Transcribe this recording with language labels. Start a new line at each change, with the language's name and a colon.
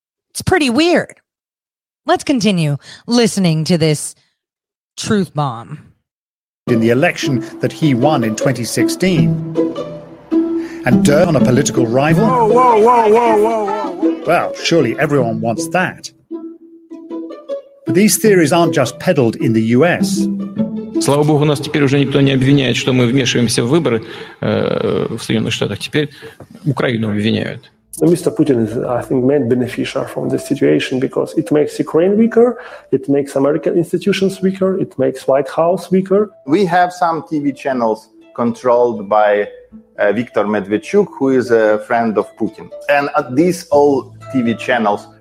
English: It's pretty weird. Let's continue listening to this truth bomb. In the election that he won in 2016. And dirt on a political rival? Whoa, whoa, whoa, whoa, whoa, whoa. Well, surely everyone wants that. But these theories aren't just peddled in the US.
Russian: Слава богу, нас теперь уже никто не обвиняет, что мы вмешиваемся в выборы в Соединенных Штатах. Теперь Украину обвиняют.
English: So Mr. Putin is, I think, main beneficiary from this situation because it makes Ukraine weaker, it makes American institutions weaker, it makes White House weaker. We have some TV channels controlled by Viktor Medvedchuk, who is a friend of Putin. And these all TV channels